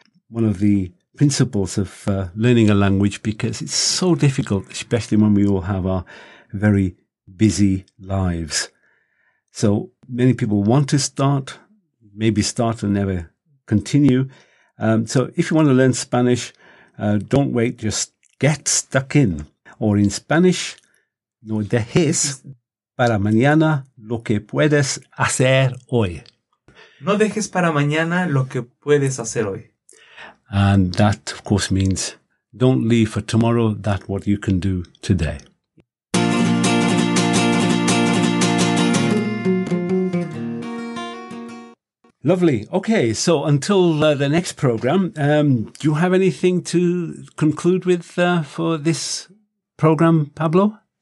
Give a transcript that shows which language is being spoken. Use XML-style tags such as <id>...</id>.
<en>One of the principles of learning a language, because it's so difficult, especially when we all have our very busy lives. So many people want to start, maybe start and never continue. So if you want to learn Spanish, don't wait, just get stuck in. Or in Spanish,</en> <es>no dejes para mañana lo que puedes hacer hoy. No dejes para mañana lo que puedes hacer hoy.</es> <en>And that, of course, means don't leave for tomorrow that what you can do today. Lovely. Okay, so until the next program, do you have anything to conclude with for this program, Pablo?</en>